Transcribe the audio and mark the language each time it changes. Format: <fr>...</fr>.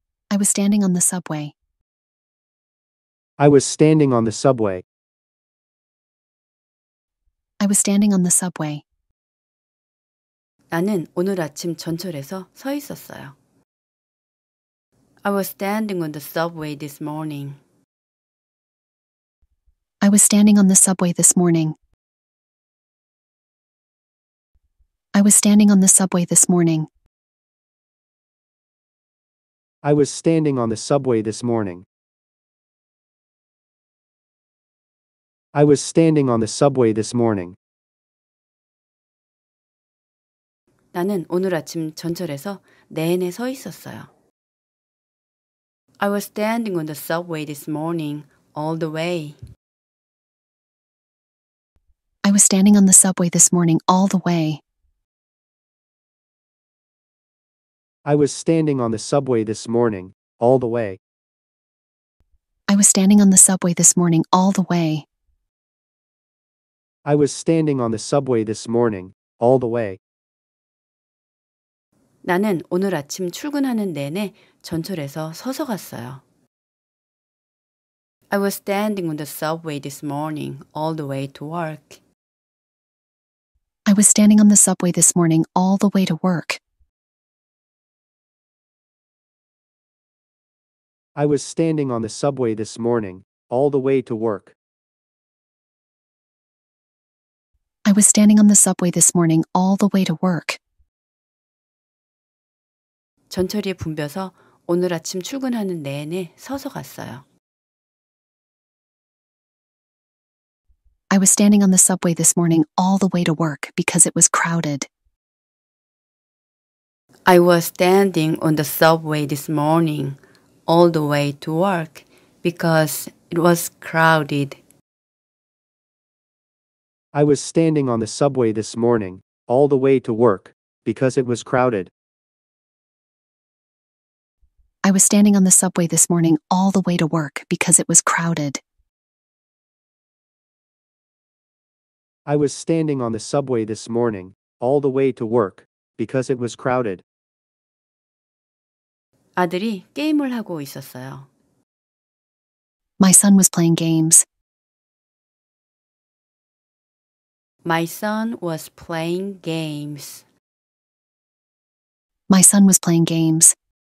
<en>I was standing on the subway. I was standing on the subway. I was standing on the subway.</en> <ko>나는 오늘 아침 전철에서 서 있었어요.</ko> <en>I was standing on the subway this morning. I was standing on the subway this morning. I was standing on the subway this morning. I was standing on the subway this morning. I was standing on the subway this morning.</en> <ko>나는 오늘 아침 전철에서 내내 서 있었어요.</ko> <en>I was standing on the subway this morning all the way. I was standing on the subway this morning all the way. I was standing on the subway this morning all the way. I was standing on the subway this morning all the way. I was standing on the subway this morning all the way.</en> <ko>나는 오늘 아침 출근하는 내내 전철에서 서서 갔어요.</ko> <en>I was standing on the subway this morning all the way to work. I was standing on the subway this morning all the way to work. I was standing on the subway this morning all the way to work. I was standing on the subway this morning all the way to work.</en> <ko>전철이 붐벼서 오늘 아침 출근하는 내내 서서 갔어요.</ko> <en>I was standing on the subway this morning all the way to work because it was crowded. I was standing on the subway this morning all the way to work because it was crowded. I was standing on the subway this morning all the way to work because it was crowded. I was standing on the subway this morning all the way to work because it was crowded. I was standing on the subway this morning all the way to work because it was crowded.</en> <ko>아들이 게임을 하고 있었어요.</ko> <en>My son was playing games. My son was playing games. My son was playing games.</en>